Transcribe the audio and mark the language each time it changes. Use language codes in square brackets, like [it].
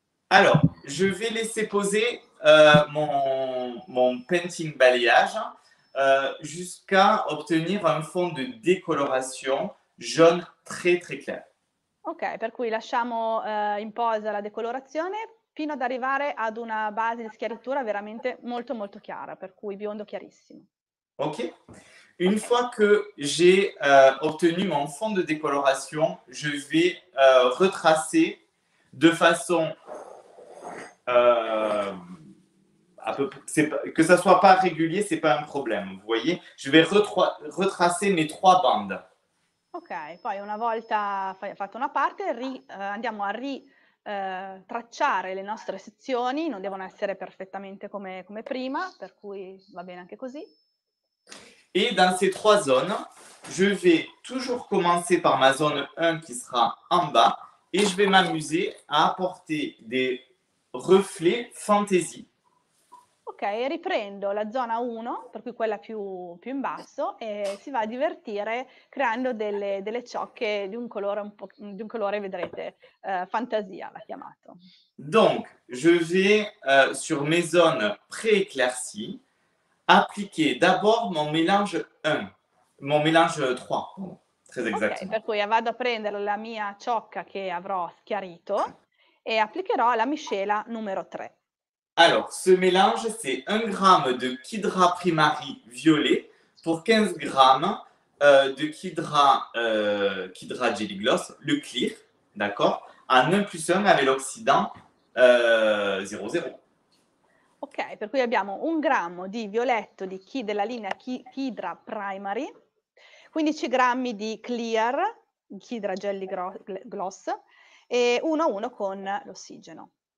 [fr] Alors, je vais laisser poser mon painting balayage jusqu'à obtenir un fond de décoloration jaune très très clair. [it] Ok, per cui lasciamo in pausa la decolorazione fino ad arrivare ad una base di schiarittura veramente molto molto chiara, per cui biondo chiarissimo. Ok. [fr] Une fois que j'ai obtenu mon fond de décoloration, je vais retracer de façon à peu près, que ça soit pas régulier, c'est pas un problème. Vous voyez, je vais retracer mes trois bandes. [it] Ok, poi una volta fatta una parte, andiamo a ritracciare le nostre sezioni. Non devono essere perfettamente come prima, per cui va bene anche così. [fr] Et dans ces trois zones, je vais toujours commencer par ma zone 1 qui sera en bas et je vais m'amuser à apporter des reflets fantasy. [it] Ok, riprendo la zona 1, per cui quella più in basso, e si va a divertire creando delle ciocche di un colore, vedrete, fantasia l'ha chiamato. [fr] Donc, je vais sur mes zones pré-éclaircies. Appliquer d'abord mon mélange 3, très exactement. [it] Ok, per cui vado a prendere la mia ciocca che avrò schiarito e applicherò la miscela numero 3. [fr] Alors, ce mélange, c'est 1 g de Kidra Primary violet pour 15 g de Kidra Jelly Gloss, le clear, d'accord, en 1 plus 1 avec l'oxydant 00. [it] Ok, per cui abbiamo 1 g di violetto della linea Kidra Primary, 15 grammi di Clear, Kidra Jelly Gloss, e 1-1 con l'ossigeno.